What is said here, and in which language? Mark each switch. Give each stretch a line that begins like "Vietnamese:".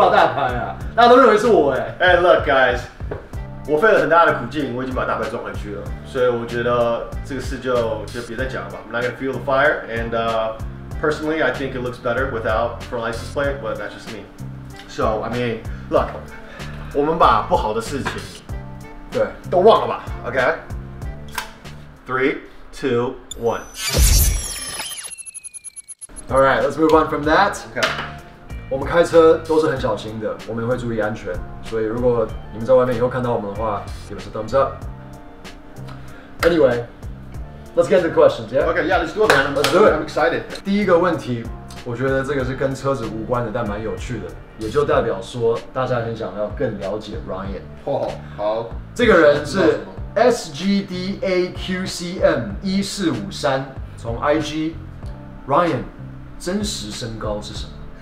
Chinese: 兄弟，你看我不挂大牌啊，大家都认为是我哎。Hey,
English: look, guys,
Chinese: 我费了很大的苦劲，我已经把大牌赚回去了，所以我觉得这个事就别再讲了吧。
English: I'm not gonna feel the fire, and personally, I think it looks better without front license plate, but that's just me. So, I mean, look,
Chinese: 我们把不好的事情，对，都忘了吧。
English: OK. Okay? 3, 2, 1. All right, let's move on from that. Okay.
Chinese: 我们开车都是很小心的，我们会注意安全。所以如果你们在外面以后看到我们的话 ，
English: give us a thumbs up. Anyway, let's get to the questions. Yeah. Okay. Yeah. Let's do it, man. Let's do it. I'm excited.
Chinese: 第一个问题，我觉得这个是跟车子无关的，但蛮有趣的，也就代表说大家很想要更了解 Ryan。好。这个人是。 SGDAQCM1453 从 IG Ryan 真实身高是什么？